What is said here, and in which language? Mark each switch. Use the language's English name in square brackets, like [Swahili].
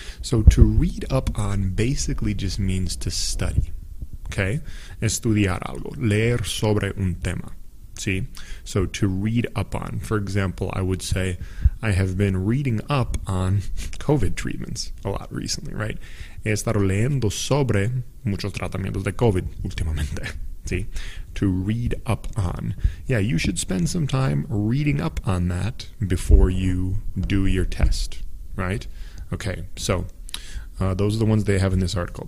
[English] So to read up on basically just means to study. Okay? [Spanish] Estudiar algo. Leer sobre un tema. [English] See? So to read up on. For example, I would say, I have been reading up on COVID treatments a lot recently, right? [Spanish] He estado leyendo sobre muchos tratamientos de COVID últimamente. [English] See? To read up on. Yeah, you should spend some time reading up on that before you do your test, right? Okay, so those are the ones they have in this article.